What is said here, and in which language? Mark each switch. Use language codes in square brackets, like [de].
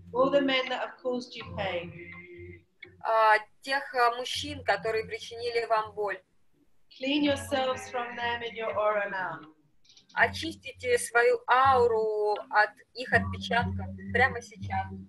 [en] All the men that have caused you pain. [ru] Тех мужчин, которые причинили вам боль. [en] Clean yourselves from them in your aura now. [ru] Очистите свою ауру от их отпечатков прямо сейчас.